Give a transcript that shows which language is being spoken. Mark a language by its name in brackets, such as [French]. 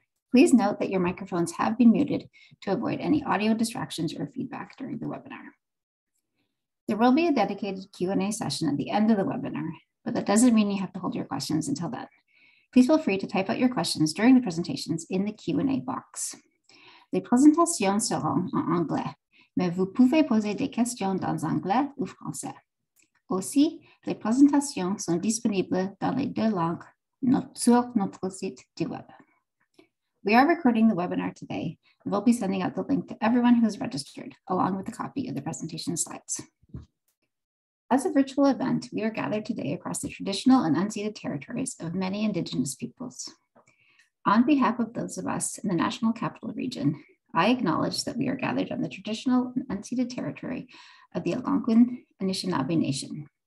[English] Please note that your microphones have been muted to avoid any audio distractions or feedback during the webinar. There will be a dedicated Q&A session at the end of the webinar, but that doesn't mean you have to hold your questions until then. Please feel free to type out your questions during the presentations in the Q&A box. [French] Les présentations seront en anglais, mais vous pouvez poser des questions dans anglais ou français. Aussi, les présentations sont disponibles dans les deux langues sur notre site du web. [English] We are recording the webinar today, and we'll be sending out the link to everyone who has registered, along with a copy of the presentation slides. As a virtual event, we are gathered today across the traditional and unceded territories of many Indigenous peoples. On behalf of those of us in the National Capital Region, I acknowledge that we are gathered on the traditional and unceded territory of the Algonquin Anishinaabe Nation.